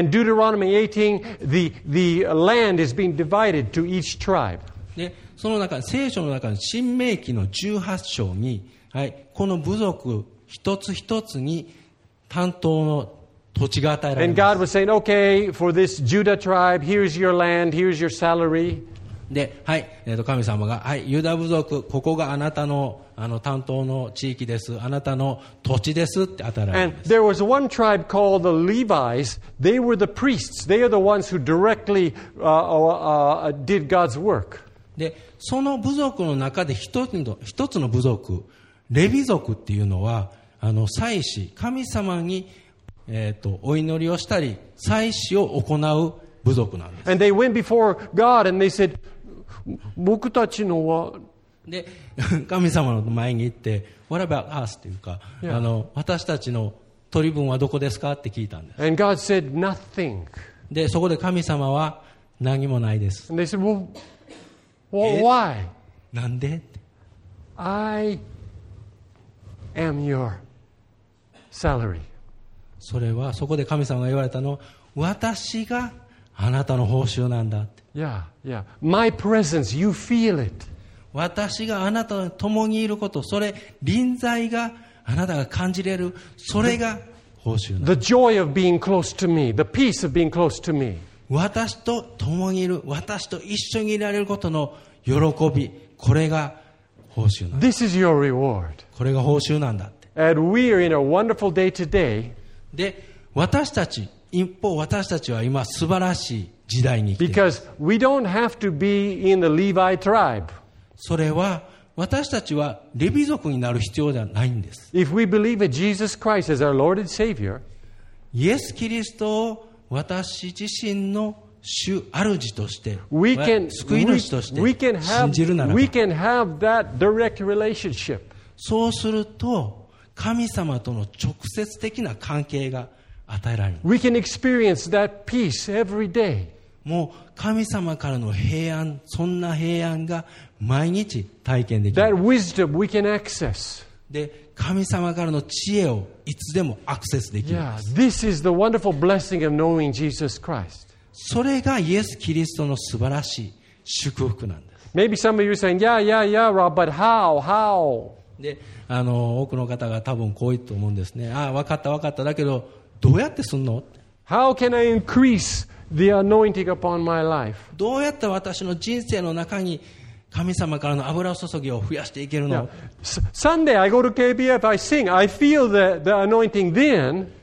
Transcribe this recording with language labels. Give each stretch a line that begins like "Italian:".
English: And Deuteronomy 18, the land is being divided to each tribe.
Japanese: で、その中、聖書の中の申命記の18章に、はい、この部族一つ一つに担当の土地が与えられます。
English: And God was saying, okay, for this Judah tribe, here's your land, here's your salary.
Japanese: で、はい、神様が、はい、ユダ部族、ここがあなたの、担当の地域です。あなたの土地ですって与えられます。
English: And there was one tribe called the Levites. They were the priests. They are the ones who directly, did God's work.
Japanese: で、その部族の中で一つの部族、レビ族っていうのは、祭司、神様にお祈りをしたり祭祀を行う部族なんです。
English: And they went before God and they said,
Japanese: 僕たちのは、で、神様の前に行って
English: What about us?
Japanese: というか、私たちの取り分はどこですかって聞いたんです。
English: And God said nothing.
Japanese: で、そこで神様は何もないです。
English: And they said, well, why?
Japanese: なんで?
English: I am your salary.
Japanese: それはそこで神様が言われたの、私があなたの報酬なんだって。
English: Yeah, yeah. My presence, you feel it.
Japanese: 私があなたと共にいること、それ臨在があなたが感じれる、それが報酬なんだ。
English: The joy of being close to me, the peace of being close to me.
Japanese: 私と共にいる、私と一緒にいられることの喜び、これが報酬なんだ。
English: This is your reward.
Japanese: これが報酬なんだって。
English: And we are in a wonderful day today.
Japanese: で、私たち、一方私たちは今素晴らしい時代に生きています。
English: Because we don't have to be in the Levi tribe.
Japanese: それは私たちはレビ族になる必要ではないんです。
English: If we believe in Jesus Christ as our Lord and Savior,
Japanese: イエス・キリストを私自身の主主として、救い主として信じるならば、
English: we can have that direct relationship.
Japanese: そうすると神様との直接的な関係が与えられる。
English: We can experience that peace every day.
Japanese: もう神様からの平安、そんな平安が毎日体験できる。
English: That wisdom we can access.
Japanese: で、神様からの知恵をいつでもアクセスできる。
English: Yeah, this is the wonderful blessing of knowing Jesus Christ.
Japanese: それがイエス・キリストの素晴らしい祝福なんです。
English: Maybe some of you are saying, yeah, yeah, yeah, Rob, but how?
Japanese: で、多くの方が多分こう言うと思うんですね。ああ、分かった分かった、だけどどうやってすんの？
English: How can I increase the anointing upon my life?
Japanese: どうやって私の人生の中に神様からの油を注ぎを増やしていけるの？
English: Sunday I go to KBF, I sing, I feel the anointing then.